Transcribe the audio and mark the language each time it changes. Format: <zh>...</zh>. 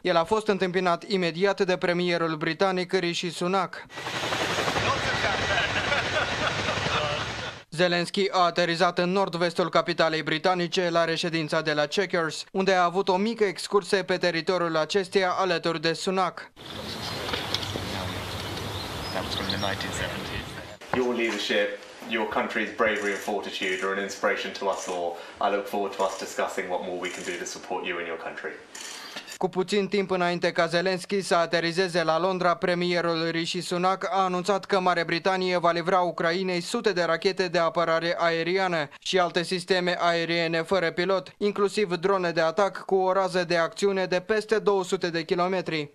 <ro>El a fost întâmpinat imediat de premierul britanic Rishi Sunak. Zelensky a aterizat în nord-vestul capitalei britanice la reședința de la Chequers, unde a avut o mică excursie pe teritoriul acesteia alături de Sunak.</ro> <en>Your leadership, your country's bravery and fortitude are an inspiration to us all. I look forward to us discussing what more we can do to support you and your country.</en> <ro>Cu puțin timp înainte ca Zelensky să aterizeze la Londra, premierul Rishi Sunak a anunțat că Marea Britanie va livra Ucrainei sute de rachete de apărare aeriană și alte sisteme aeriene fără pilot, inclusiv drone de atac cu o rază de acțiune de peste 200 de kilometri.</ro>